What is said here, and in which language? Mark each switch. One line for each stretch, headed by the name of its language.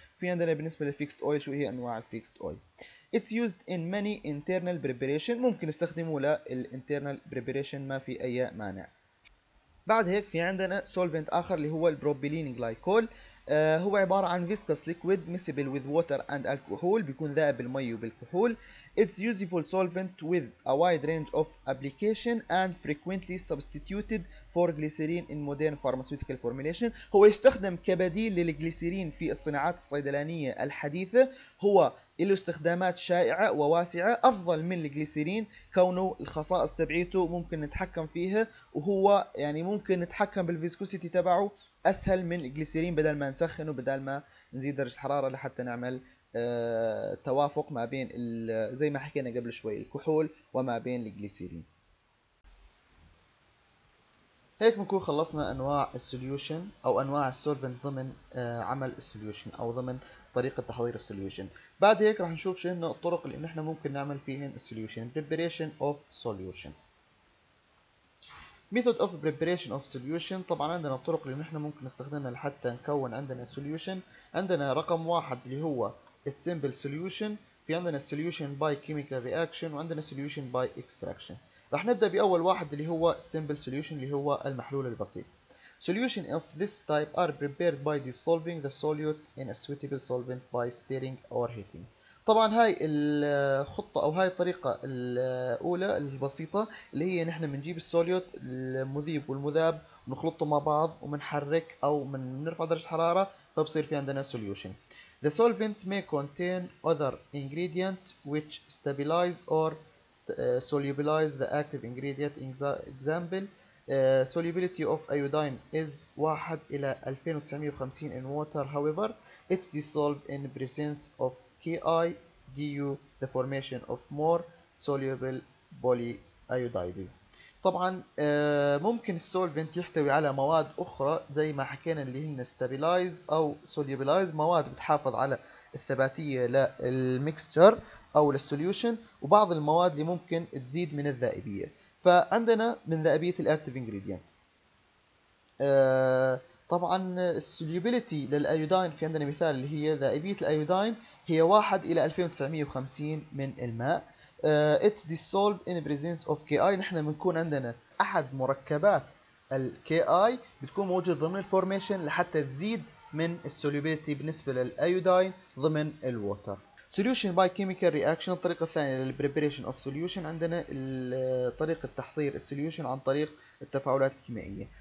Arabic: في عندنا بالنسبة للفيكست اويل شو هي انواع الفيكست اويل.
English: It's used in many internal preparation،
Arabic: ممكن نستخدمه للانترنال preparation ما في اي مانع. بعد هيك في عندنا سولفنت اخر اللي هو البروبيلين جلايكول. هو عبارة عن
English: viscous liquid miscible with water and alcohol،
Arabic: بيكون ذائب بالمي وبالكحول.
English: It's useful solvent with a wide range of application and frequently substituted for glycerin in modern pharmaceutical formulation.
Arabic: هو يستخدم كبديل للجليسيرين في الصناعات الصيدلانية الحديثة، هو له استخدامات شائعة وواسعة أفضل من الجليسيرين كونه الخصائص تبعيته ممكن نتحكم فيها، وهو يعني ممكن نتحكم بالفيسكوسيتي تبعه أسهل من الجليسيرين بدل ما نسخنه بدل ما نزيد درجة الحرارة لحتى نعمل توافق ما بين زي ما حكينا قبل شوي الكحول وما بين الجليسيرين. هيك بنكون خلصنا أنواع السوليوشن أو أنواع السولفنت ضمن عمل السوليوشن أو ضمن طريقة تحضير السوليوشن. بعد هيك راح نشوف شنو الطرق اللي نحن ممكن نعمل فيهن السوليوشن.
English: Preparation of solution. Method of preparation of solution.
Arabic: طبعا عندنا الطرق اللي نحن ممكن نستخدمها لحتى نكون عندنا solution. عندنا رقم واحد اللي هو simple solution. في عندنا
English: solution by chemical reaction وعندنا solution by extraction.
Arabic: راح نبدأ بأول واحد اللي هو simple solution اللي هو المحلول البسيط.
English: Solution of this type are prepared by dissolving the solute in a suitable solvent by stirring or heating.
Arabic: طبعا هاي الخطة أو هاي الطريقة الأولى البسيطة اللي هي نحن منجيب السوليوت المذيب والمذاب ونخلطه مع بعض ومنحرك أو من نرفع درجة الحرارة فبصير في عندنا solution.
English: The solvent may contain other ingredients which stabilize or solubilize the active ingredient. Example, solubility of iodine is 1 إلى 2950 in water. However, it's dissolved in presence of Ki due the formation of more soluble polyiodides.
Arabic: طبعا ممكن السولفنت يحتوي على مواد أخرى زي ما حكينا اللي هن stabilize أو solubilize، مواد بتحافظ على الثباتية للميكستر او للسوليوشن وبعض المواد اللي ممكن تزيد من الذائبيه. فعندنا من ذائبيه الاكتيف انجريدينت، طبعا السوليوبيليتي للايودين في عندنا مثال اللي هي ذائبيه الايودين هي 1 الى 2950 من الماء.
English: It's dissolved in presence of Ki.
Arabic: نحن بنكون عندنا احد مركبات الKi بتكون موجود ضمن الفورميشن لحتى تزيد من السوليوبيليتي بالنسبه للايودين ضمن الووتر.
English: Solution by chemical reaction،
Arabic: الطريقة الثانية للpreparation of solution عندنا طريقة تحضير solution عن طريق التفاعلات الكيميائية.